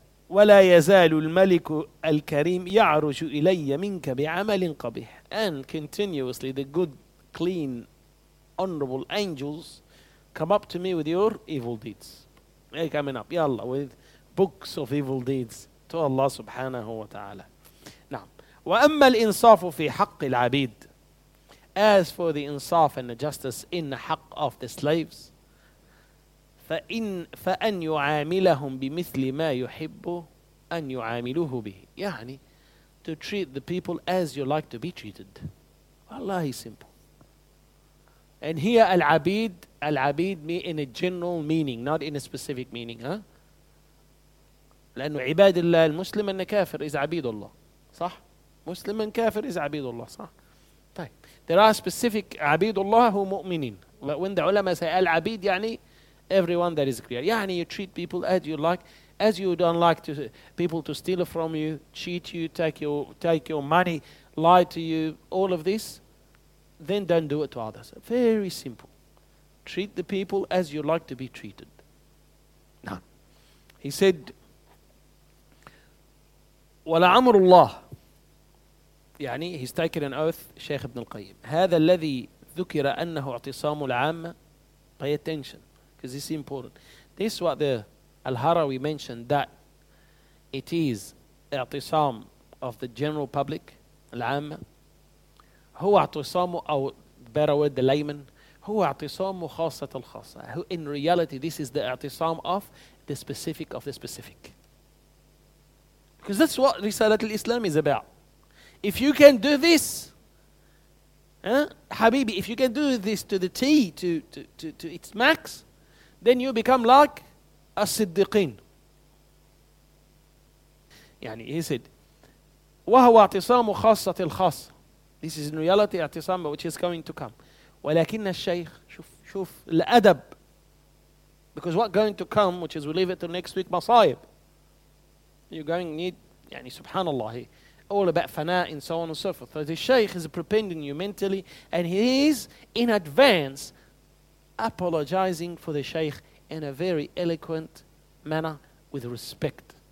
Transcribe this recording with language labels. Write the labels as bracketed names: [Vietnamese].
[Arabic] وَلَا يَزَالُ الْمَلِكُ الْكَرِيمُ يَعْرُجُ إِلَيَّ مِنْكَ بِعَمَلٍ قَبِيحٍ. [English] And continuously the good, clean, honorable angels come up to me with your evil deeds. They're coming up, ya Allah, with books of evil deeds to Allah subhanahu wa ta'ala. Now, [Arabic] وَأَمَّا الْإِنصَافُ فِي حَقِّ الْعَبِيدِ. [English] As for the insaf and the justice in the haqq of the slaves, [Arabic] فَأَنْ يُعَامِلَهُمْ بِمِثْلِ مَا يُحِبُّ أَنْ يُعَامِلُهُ بِهِ. [English] يعني, to treat the people as you like to be treated. Allah is simple. And here, al-abid, al-abid me in a general meaning, not in a specific meaning. [Arabic] لأنه عباد الله المسلم أن كافر is عبيد الله. صح؟ مسلم أن كافر is عبيد الله. صح؟ طيب. [English] There are specific [Arabic] عبيد الله هو مؤمنين. [English] But when the علماء say al-abid, يعني everyone that is clear. يعني you treat people as you like, as you don't like to people to steal from you, cheat you, take your money, lie to you, all of this, then don't do it to others. Very simple. Treat the people as you like to be treated. Now, he said, [Arabic] وَلَعَمْرُ اللَّهِ. [English] يعني he's taken an oath, Shaykh ibn al-Qayyim. [Arabic] هَذَا الَّذِي ذُكِرَ أَنَّهُ اعْتِصَامُ الْعَامَّةِ. [English] Pay attention. Because this is important. This is what the Al-Harawi mentioned, that it is i'tisam of the general public, Al-Amma, [Arabic] هو اعتصامه, أو [English] better word, the layman, [Arabic] هو اعتصامه خاصة الخاصة. [English] In reality, this is the اعتصام of the specific of the specific. Because that's what رسالة الإسلام is about. If you can do this, حبيبي, if you can do this to the T, to its max, then you become like الصديقين. يعني he said, [Arabic] وهو اعتصام خاصة الخاصة. [English] This is in reality اعتصام which is going to come. [Arabic] ولكن الشيخ, شوف الأدب. [English] Because what going to come, which is we leave it till next week, مصائب. You're going need, يعني سبحان الله, all about فناء and so on and so forth. So the Shaykh is preparing you mentally, and he is in advance apologizing for the Shaykh in a very eloquent manner with respect.